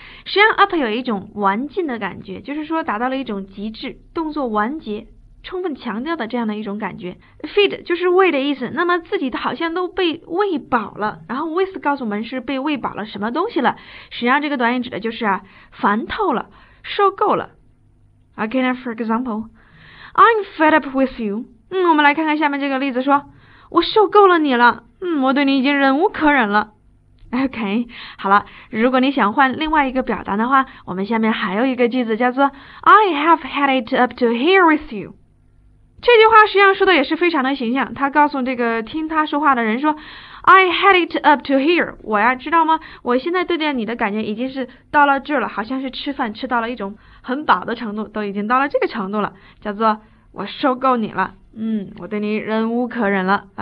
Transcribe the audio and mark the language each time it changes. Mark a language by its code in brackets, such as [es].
[zh] 实际上 up 有一种完尽的感觉，就是说达到了一种极致，动作完结，充分强调的这样的一种感觉。 feed 就是喂的意思，那么自己好像都被喂饱了，然后 with 告诉我们是被喂饱了什么东西了。实际上这个短语指的就是啊，烦透了，受够了。 [en] Okay, for example, I'm fed up with you. [zh] 我们来看看下面这个例子，说我受够了你了，我对你已经忍无可忍了。 OK， 好了，如果你想换另外一个表达的话，我们下面还有一个句子叫做 [en] I have had it up to here with you。 [zh] 这句话实际上说的也是非常的形象，他告诉这个听他说话的人说 [en] I had it up to here， [zh] 我呀知道吗，我现在对待你的感觉已经是到了这了，好像是吃饭吃到了一种很饱的程度，都已经到了这个程度了，叫做我受够你了，我对你忍无可忍了。